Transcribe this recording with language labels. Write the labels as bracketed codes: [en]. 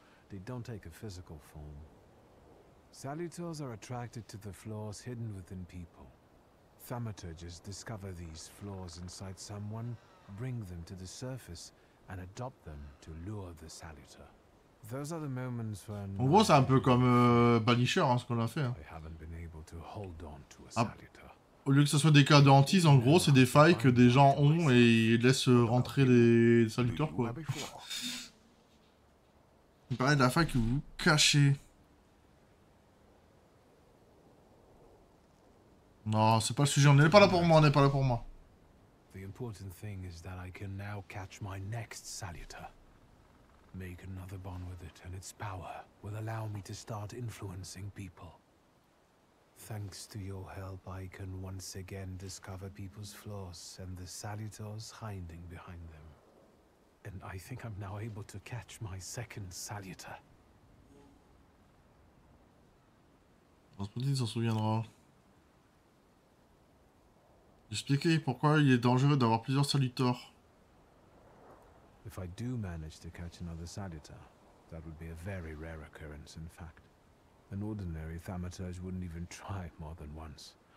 [en] They don't take a physical form. Salutors are attracted to the flaws hidden within people. Thaumaturges discover these flaws inside someone, bring them to the surface, and adopt them to lure the salutor. Those are the moments when. [fr] En gros, c'est un peu comme Banisher, hein, ce qu'on a fait. Hein. [en] I haven't been able to hold on to a salutor. [fr] Au lieu que ce soit des cas de hantise, en gros, c'est des failles que des gens ont et ils laissent rentrer les salutors, quoi. Il parlait de la faille que vous cachez. Non, c'est pas le sujet, on n'est pas là pour moi, on n'est pas là pour moi. L'important chose est que je peux maintenant [en] catch my next salutor. Make another bond with it, and its power will allow me to start influencing people. Thanks to your help, I can once again discover people's flaws and the salutors hiding behind them. And I think I'm now able to catch my second salutor. [fr] Rasputin s'en souviendra. Expliquez pourquoi il est dangereux d'avoir plusieurs salutors. [en] If I do manage to catch another salutor, that would be a very rare occurrence, in fact. An ordinary thaumaturge wouldn't even try more than once.